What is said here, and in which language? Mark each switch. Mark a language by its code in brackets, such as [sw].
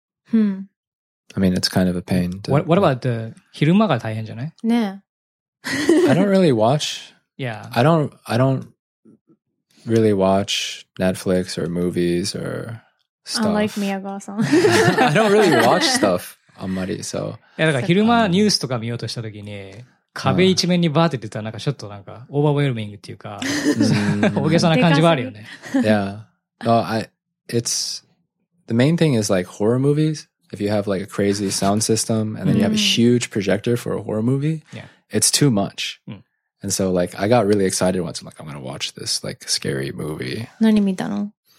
[en] Hmm. I mean, it's kind of a pain. What about the [ja] 昼間が大変じゃない? ね。 [en] I don't really watch. Yeah. I don't really watch Netflix or movies or stuff. Unlike Miyagawa-san. I don't really watch stuff. あんまり、so. [ja] いやだから昼間ニュースとか見ようとしたときに壁一面にバーって出たらなんかちょっとなんかオーバーウェルミングっていうか大げさな感じはあるよね。 [en] Yeah. Oh, it's the main thing is like horror movies. If you have like a crazy sound system and then you have a huge projector for a horror movie, it's too much. And so like I got really excited once. I'm like, I'm gonna watch this like scary movie. [ja] 何見たの?